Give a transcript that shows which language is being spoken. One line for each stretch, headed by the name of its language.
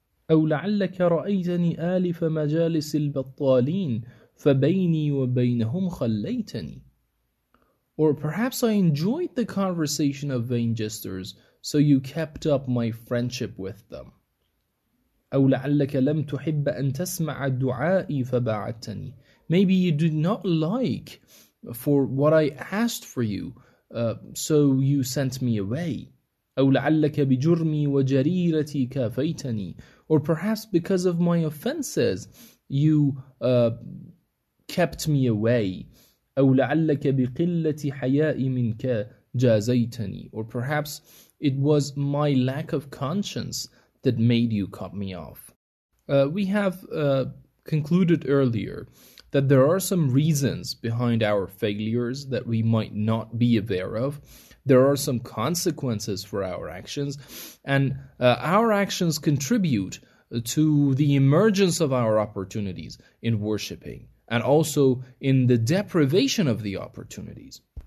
Arabic: أو لعلك رأيتني آلف مجالس البطالين فبيني وبينهم خليتني.
English: Or perhaps I enjoyed the conversation of vain jesters, so you kept up my friendship with them.
Arabic: أو لعلك لم تحب أن تسمع دعائي فباعدتني.
English: Maybe you did not like for what I asked for you, so you sent me away.
Arabic: أو لعلك بجرمي وجريرتي كافيتني.
English: Or perhaps because of my offenses, you kept me away.
Arabic: أو لعلك بقلة حيائي منك جازيتني.
English: Or perhaps it was my lack of conscience that made you cut me off. We have concluded earlier that there are some reasons behind our failures that we might not be aware of. There are some consequences for our actions, and our actions contribute to the emergence of our opportunities in worshipping, and also in the deprivation of the opportunities.